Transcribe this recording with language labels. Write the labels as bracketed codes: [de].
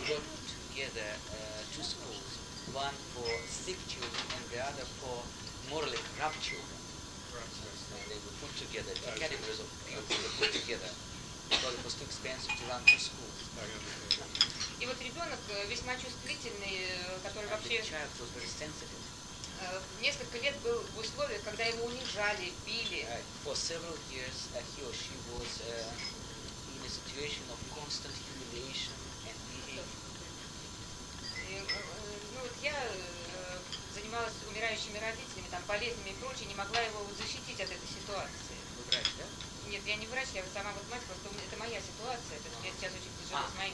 [en] They brought together two schools, one for sick children and the other for morally corrupt children. And they were put together, the categories of people were put together, because it was too expensive to run two schools. [ru] И вот ребенок весьма чувствительный, который вообще... [en] The child was very sensitive. [ru] Несколько лет был в условиях, когда его унижали, били. [en] For several years, he or she was in a situation of constant humiliation and beating. [ru] Ну вот я занималась умирающими родителями, там болезнями и прочее, не могла его защитить от этой ситуации. Вы врач, да? Нет, я не врач, я сама вот мать, просто это моя ситуация, это я сейчас очень тяжело с моим